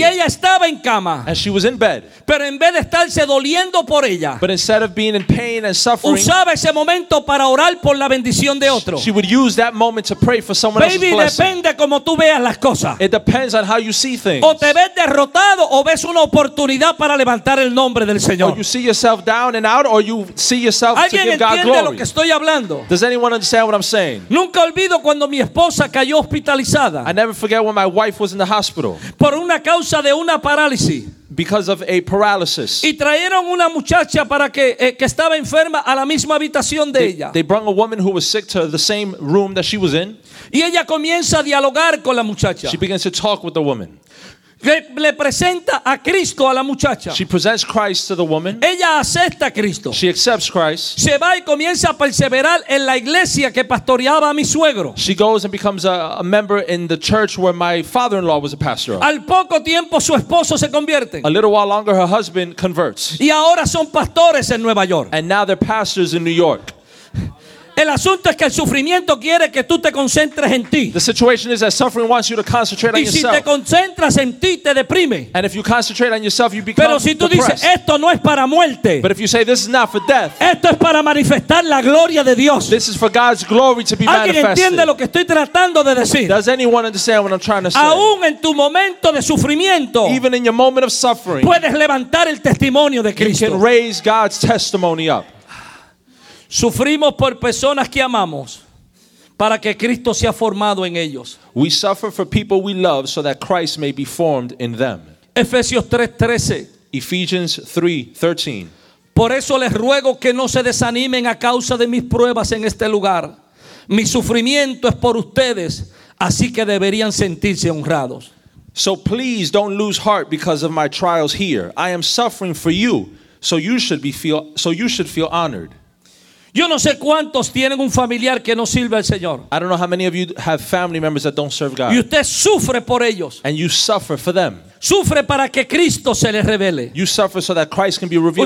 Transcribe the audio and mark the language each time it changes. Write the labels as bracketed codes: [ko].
[es] Y ella estaba en cama. [en] And she was in bed. [es] Pero en vez de estarse doliendo por ella, [en] but instead of being in pain and suffering, [es] usaba ese momento para orar por la bendición de otro. [en] She would use that moment to pray for someone else's blessing. [es] Baby, depende como tú veas las cosas. [en] It depends on how you see things. [es] O te ves derrotado o ves una oportunidad para levantar el nombre del Señor. [en] Or you see yourself down and out or you see yourself to give God glory. [es] ¿Alguien entiende lo que estoy hablando? [en] Does anyone understand what I'm saying? [es] Nunca olvido cuando mi esposa cayó hospitalizada. [en] I never forget when my wife was in the hospital. [es] Por una causa de una parálisis. [en] Because of a paralysis. [es] Y trajeron una muchacha para que estaba enferma a la misma habitación de ella. [en] They brought a woman who was sick to the same room that she was in. [es] Y ella comienza a dialogar con la muchacha. [en] She begins to talk with the woman. [es] Le presenta a Cristo a la muchacha. [en] She presents Christ to the woman. [es] Ella acepta a Cristo. [en] She accepts Christ. [es] Se va y comienza a perseverar en la iglesia que pastoreaba a mi suegro. [en] She goes and becomes a member in the church where my father-in-law was a pastor of. [es] Al poco tiempo su esposo se convierte. [en] A little while longer her husband converts. [es] Y ahora son pastores en Nueva York. [en] And now they're pastors in New York. [es] El asunto es que el sufrimiento quiere que tú te concentres en ti. [en] The situation is that suffering wants you to concentrate on yourself. [es] Y si te concentras en ti, te deprime. [en] And if you concentrate on yourself, you become depressed. [es] Pero si tú dices, esto no es para muerte. [en] But if you say, this is not for death. [es] Esto es para manifestar la gloria de Dios. [en] This is for God's glory to be manifested. [es] ¿Alguien entiende lo que estoy tratando de decir? [en] Does anyone understand what I'm trying to say? [es] Aún en tu momento de sufrimiento. [en] Even in your moment of suffering. [es] Puedes levantar el testimonio de Cristo. [en] You can raise God's testimony up. [es] Sufrimos por personas que amamos para que Cristo sea formado en ellos. [en] We suffer for people we love so that Christ may be formed in them. [es] Efesios 3:13. [en] Ephesians 3:13. [es] Por eso les ruego que no se desanimen a causa de mis pruebas en este lugar. Mi sufrimiento es por ustedes, así que deberían sentirse honrados. [en] So please don't lose heart because of my trials here. I am suffering for you, so you should feel honored. [es] Yo no sé cuántos tienen un familiar que no sirve al Señor. [en] I don't know how many of you have family members that don't serve God. [es] Y usted sufre por ellos. [en] And you suffer for them. [es] Sufre para que Cristo se le revele. [en] You suffer so that Christ can be revealed.